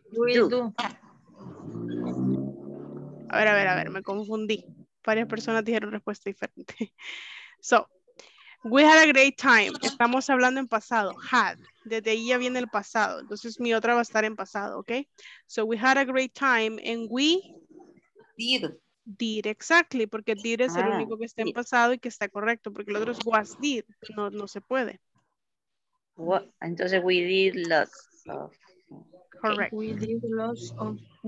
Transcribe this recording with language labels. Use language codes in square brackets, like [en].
[en] Will do. [es] A ver, me confundí. Varias personas dijeron respuesta diferente. [en] So, we had a great time. [es] Estamos hablando en pasado. [en] Had. [es] Desde ahí ya viene el pasado. Entonces mi otra va a estar en pasado, ¿ok? [en] So we had a great time and we did. Did, exactly. [es] Porque did es el único que está en pasado y que está correcto. Porque el otro es was did. No, no se puede. [en] What? Entonces we did lots of. Correct. We did lots of.